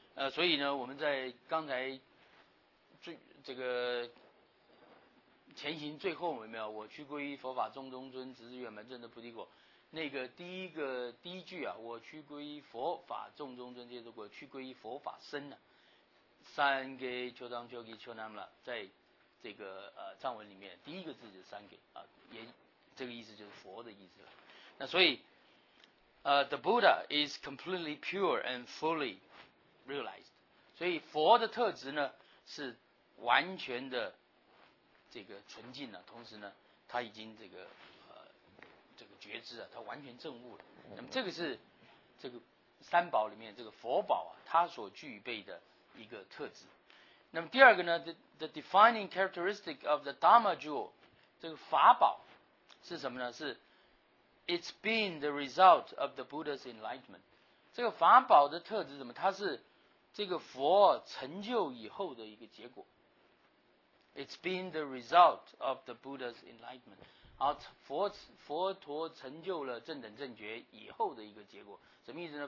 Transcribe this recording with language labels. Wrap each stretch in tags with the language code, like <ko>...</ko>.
<zh>所以呢，我们在刚才这个前行最后有没有，我去皈依佛法众中尊，直至圆满证得菩提果，那个第一句啊，我去皈依佛法众中尊，接着我去皈依佛法僧呢、啊，三给秋当秋给秋南了，在这个藏文里面，第一个字就是三给啊，也这个意思就是佛的意思了。那所以，</zh> <en>the Buddha is completely pure and fully realized。</en> <zh>所以佛的特质呢是完全的这个纯净了，同时呢，他已经这个觉知啊，他完全证悟了。那么这个是这个三宝里面这个佛宝啊，他所具备的一个特质。那么第二个呢，</zh> <en>the defining characteristic of the Dharma jewel，</en> <zh>这个法宝是什么呢？是</zh> <en>it's been the result of the Buddha's enlightenment。</en> <zh>这个法宝的特质是什么？它是这个佛成就以后的一个结果。</zh> <en>it's been the result of the Buddha's enlightenment，</en> <zh>好，佛陀成就了正等正觉以后的一个结果。什么意思呢？</zh>